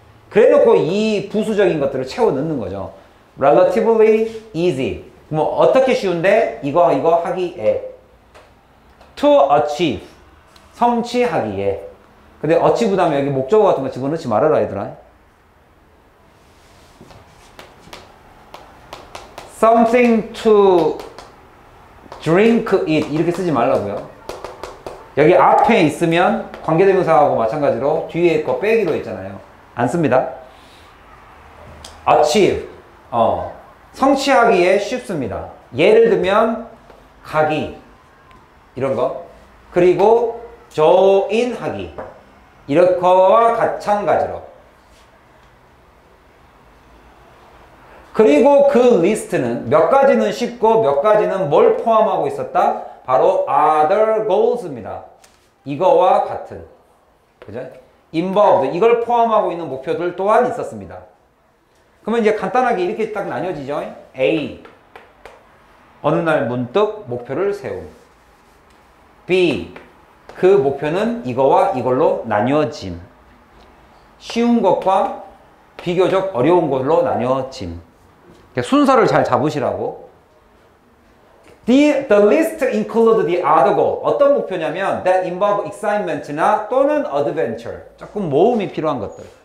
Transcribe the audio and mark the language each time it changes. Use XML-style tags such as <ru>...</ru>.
<ko>그래놓고 이 부수적인 것들을 채워 넣는 거죠.</ko> <en>Relatively easy.</en> <ko>뭐 어떻게 쉬운데 이거 하기에</ko> <en>to achieve</en> <ko>성취하기에. 근데 achieve 다음에 여기 목적어 같은 거 집어넣지 말아라 얘들아.</ko> <en>Something to drink it</en> <ko>이렇게 쓰지 말라고요. 여기 앞에 있으면 관계대명사하고 마찬가지로 뒤에 거 빼기로 했잖아요. 안 씁니다. achieve. 성취하기에 쉽습니다. 예를 들면 가기 이런 거. 그리고 join 하기. 이렇게와 마찬가지로. 그리고 그 리스트는 몇 가지는 쉽고 몇 가지는 뭘 포함하고 있었다? 바로 other goals입니다. 이거와 같은. 그죠? involved. 이걸 포함하고 있는 목표들 또한 있었습니다. 그러면 이제 간단하게 이렇게 딱 나뉘어지죠. A. 어느 날 문득 목표를 세움. B. 그 목표는 이거와 이걸로 나뉘어짐. 쉬운 것과 비교적 어려운 것으로 나뉘어짐. 순서를 잘 잡으시라고.</ko> <en>The list includes the other goal.</en> <ko>어떤 목표냐면</ko> <en>that involve excitement나 또는 adventure.</en> <ko>조금 모험이 필요한 것들.</ko>